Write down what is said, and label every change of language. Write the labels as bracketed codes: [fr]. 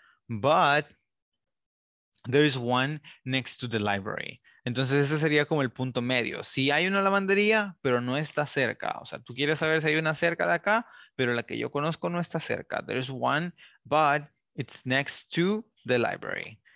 [en] But there is one next to the library. [es] Entonces ese sería como el punto medio. Si hay una lavandería, pero no está cerca. O sea, tú quieres saber si hay una cerca de acá, pero la que yo conozco no está cerca. [en] There is one, but it's next to the library.